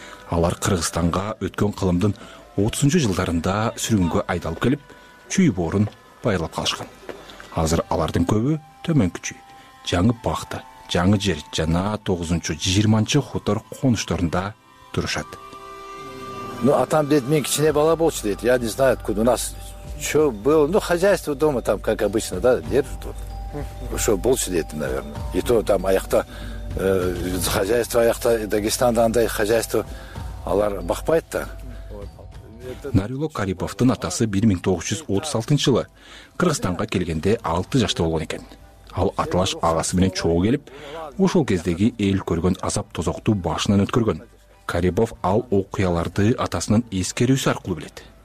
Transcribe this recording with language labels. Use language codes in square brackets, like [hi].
[ky] Алар Кыргызстанга өткөн кылымдын 30-жу жылдарында сүргүнгө айдалып келип, чүй боорун байлап калышкан. Азыр алардын көбү төмөнкү чүй, жаңы пахта, жаңы жер жана 9-20 хутор конушторунда турушат. Ну, атам деди, мен кичине бала болчу деди. [ru] Я не знаю, откуда у нас что было, ну, хозяйство дома там, как обычно, да, держит вот. Что [ky] болчу деди, [ru] наверное. И то там [ky] аякта хозяйство аякта Дагестанда андай хозяйство алар бакпайт да. Нарило Карибовдун атасы 1936 жылы Кыргызстанга келгенде 6 жашта болгон экен. Ал аталаш агасы менен чогуу келип, ошол кездеги эл көргөн азап тозокту башынан өткөргөн. Карибов ал окуяларды атасынын эскерүүсү аркылуу билет.